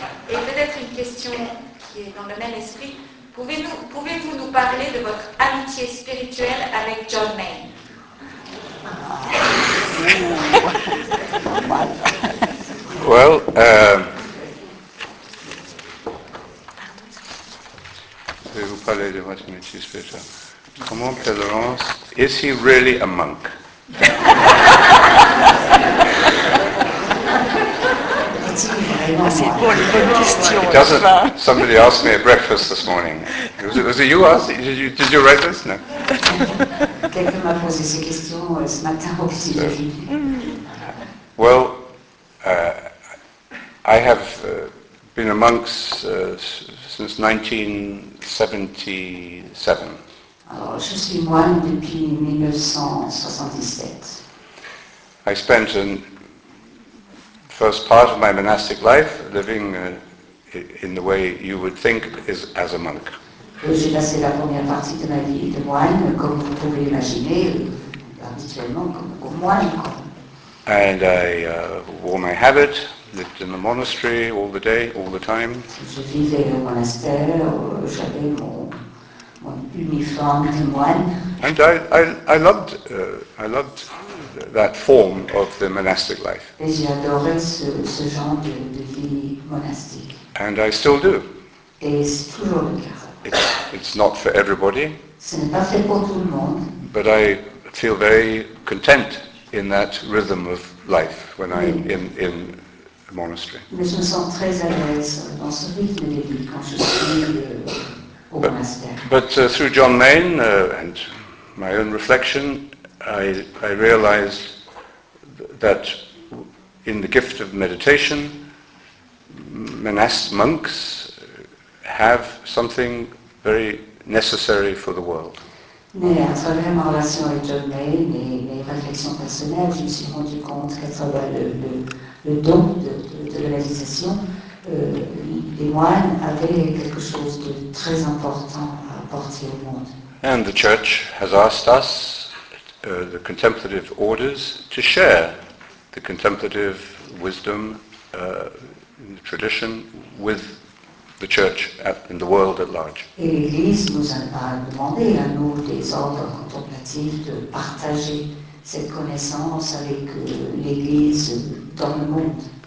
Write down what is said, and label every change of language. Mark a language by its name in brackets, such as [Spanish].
[French] Et peut-être une question qui est dans le même esprit. Pouvez-vous nous parler de votre amitié spirituelle avec John Mayne? Well, pouvez-vous parler de votre amitié spirituelle? [English] Comment Père Laurence, is he really a monk? [French] C'est une bonne question. [English] Somebody asked me at breakfast this morning. Was it you asked? Did you write this? No. [French] Quelqu'un m'a posé ces questions ce matin au petit déjeuner. [English] Well, I have been a monk since 1977. [French] Alors, je suis moine depuis 1977. [English] I spent an first part of my monastic life, living in the way you would think is as a monk. [French] J'ai passé la première partie de ma vie de moine, comme vous pouvez l'imaginer, habituellement comme moine. [English] And I wore my habit, lived in the monastery all the day, all the time. [French] Je vivais au monastère, j'avais mon uniforme de moine. [English] And I loved that form of the monastic life. [French] Et j'ai adoré ce genre de vie monastique. [English] And I still do. [French] Et c'est toujours le cas. [English] It's not for everybody. [French] Ce n'est pas fait pour tout le monde. [English] But I feel very content in that rhythm of life when oui. I'm in a monastery. [French] Mais je me sens très à l'aise dans ce rythme de vie quand je suis [English] But through John Mayne and my own reflection, I realized that in the gift of meditation, monks have something very necessary for the world. [French] Mais à travers ma relation avec John Mayne et mes réflexions personnelles, je me suis rendu compte qu'à travers le don de la réalisation, les moines avaient quelque chose de très important à apporter au monde. [English] And the church has asked us, the contemplative orders, to share the contemplative wisdom in the tradition with the church in the world at large. [French] Et l'Église nous a demandé à nous, des ordres contemplatifs, de partager cette connaissance avec l'Église dans le monde.